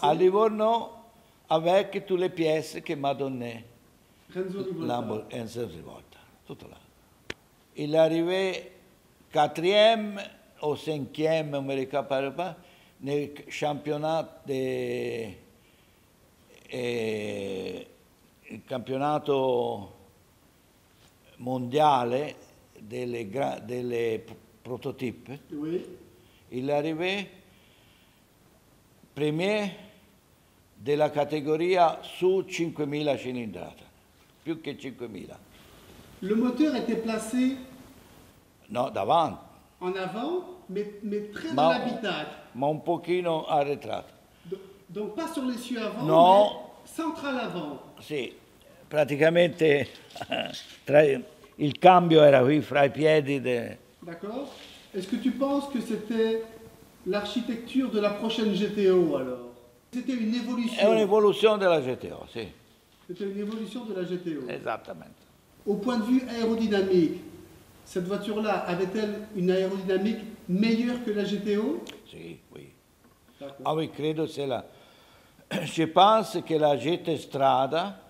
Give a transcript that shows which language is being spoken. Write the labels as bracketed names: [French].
[French] À Livorno, avec toutes les pièces qu'il m'a données. Enzo Rivolta, tout là. Il est arrivé quatrième ou cinquième, je ne me rappelle pas, dans le championnat de... [Italian] il campionato mondiale delle, delle prototipi. [French] Oui. Il est arrivé premier [Italian] della categoria su 5000 cilindrata, più che 5000. [French] Le moteur était placé? [Italian] No, davanti. [French] En avant, mais très dans l'habitacle. [Italian] Ma un pochino arretrato. [French] Donc pas sur l'essieu avant, [Italian] no. [French] Mais central avant. [Italian] Sì. Praticamente tra, il cambio era qui fra i piedi. [French] De... D'accord. Est-ce que tu penses que c'était l'architecture de la prochaine GTO alors? C'était une évolution. [Italian] È un'evoluzione della GTO, sì. [French] C'était une évolution de la GTO. [Italian] Esattamente. [French] Au point de vue aérodynamique, cette voiture-là avait-elle une aérodynamique meilleure que la GTO? Sì, oui. D'accord. Ah oui, credo c'est la. Je pense que la GT Strada.